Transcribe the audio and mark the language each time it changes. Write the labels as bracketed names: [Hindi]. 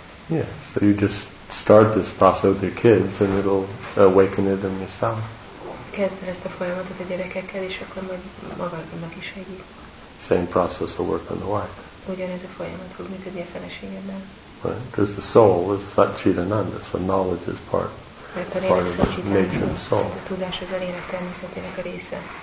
[English] Yeah, so you just start this process with your kids and it'll awaken it in yourself. [Hungarian] Kezded ezt a folyamatot a gyerekekkel, és akkor majd magadnak is segít. [English] Same process will work on the wife. [Hungarian] Ugyanez a folyamat fog működni a feleségeddel. [English] Right, because the soul is Satchitananda, so knowledge is part. [Hungarian] Mert a lélek Satchitananda, a tudás az a lélek természetének a része.